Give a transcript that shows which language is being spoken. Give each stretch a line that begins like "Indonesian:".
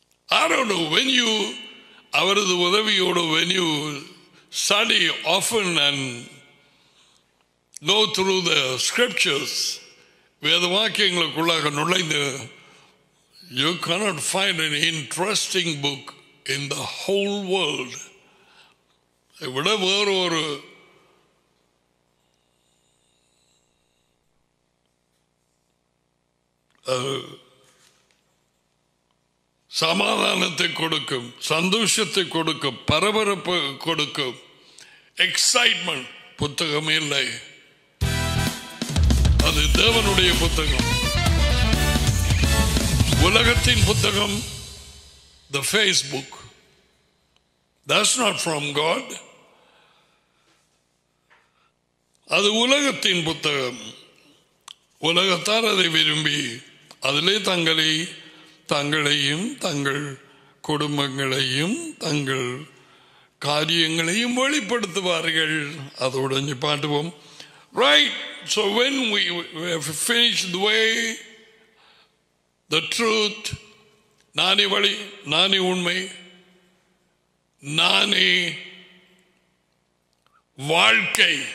English: I don't know when you,
Tamil: அவரது உதவியோடு,
English: when you study often and know through the scriptures,
Tamil: வேதவாக்கியங்களுக்குள்ளாக நுழைந்து,
English: you cannot find an interesting book in the whole world.
Tamil: விட வேறு ஒரு சமாதானத்தை கொடுக்கும், சந்தோஷத்தை கொடுக்கும், பரபரப்பு கொடுக்கும், எக்ஸைட்மெண்ட் புத்தகம் இல்லை. அது தேவனுடைய புத்தகம். உலகத்தின் புத்தகம்
English: the Facebook, that's not from God.
Tamil: அது உலகத்தின் புத்தகம். உலகத்தார் அதை விரும்பி அதிலே தங்களை தங்களையும் தங்கள் குடும்பங்களையும் தங்கள் காரியங்களையும் வெளிப்படுத்துவார்கள். அதோடு இஞ்சி பாட்டுவோம்.
English: Right, so when we have finished the way, the truth,
Tamil: நானே வழி, நானே உண்மை, நானே வாழ்க்கை.